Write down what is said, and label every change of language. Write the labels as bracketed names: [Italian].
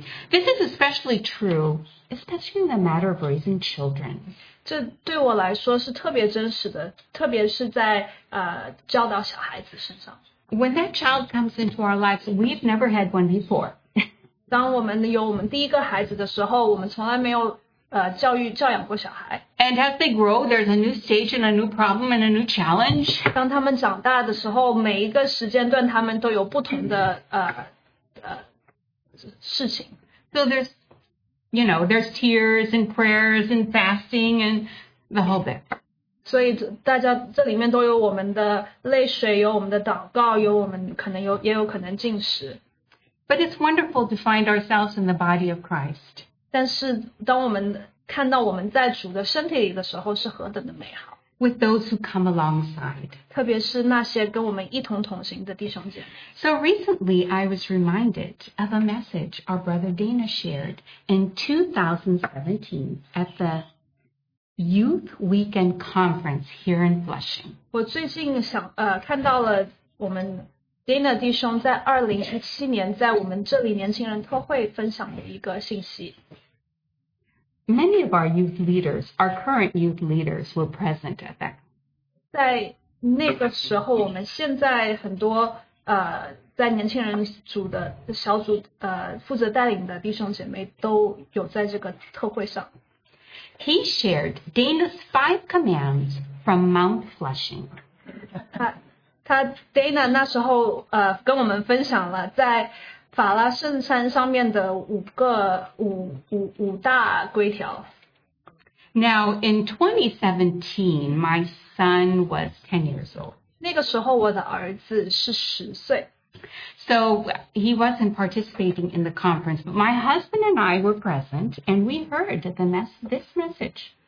[English] This is especially true, especially in the matter of raising children. [Chinese] 这对我来说是特别真实的，特别是在教导小孩子身上。 [English] When that child comes into our lives, we've never had one before. [Chinese] 当我们有我们第一个孩子的时候，我们从来没有教养过小孩。 [English] And as they grow, there's a new stage and a new problem and a new challenge. [Chinese] 当他们长大的时候，每一个时间段他们都有不同的事情。 [English] So there's tears and prayers and fasting and the whole bit. [Chinese] 所以大家这里面都有我们的泪水，有我们的祷告，有我们可能也有可能进食。 [English] But it's wonderful to find ourselves in the body of Christ. [Chinese] 但是当我们看到我们在主的身体里的时候是何等的美好。 [English] With those who come alongside. [Chinese] 特别是那些跟我们一同同行的弟兄姐妹。 [English] So recently I was reminded of a message our brother Dana shared in 2017 at the Youth Weekend Conference here in Flushing. [Chinese] 我最近看到了我们Dana 弟兄在2017年在我们这里年轻人特会分享的一个信息。 [English] Many of our youth leaders, our current youth leaders, were present at that. [Chinese] 在那个时候，我们现在很多在年轻人组的小组负责带领的弟兄姐妹都有在这个特会上。 [English] He shared Dana's five commands from Mount Flushing. [Chinese] 他 Dana 那时候跟我们分享了在法拉盛山上面的五大规条。 [English] Now in 2017, my son was 10 years old. [Chinese] 那个时候我的儿子是十岁。 [English] So he wasn't participating in the conference, but my husband and I were present and we heard this message.